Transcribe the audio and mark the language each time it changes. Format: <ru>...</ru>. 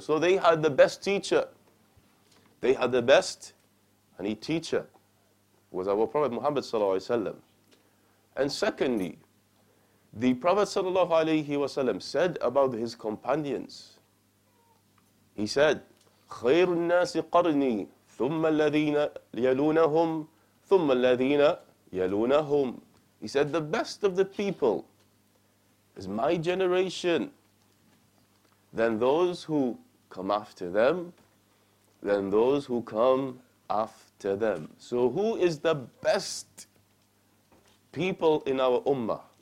<en>So they had the best teacher. They had the best, and the teacher was our Prophet Muhammad sallallahu alaihi wasallam. And secondly, the Prophet sallallahu alaihi wasallam said about his companions. He said,</en> <ar>خير الناس قرني ثم الذين يلونهم ثم الذين يلونهم.</ar> <en>He said, the best of the people is my generation, then those who come after them, then those who come after them. So who is the best people in our ummah?</en>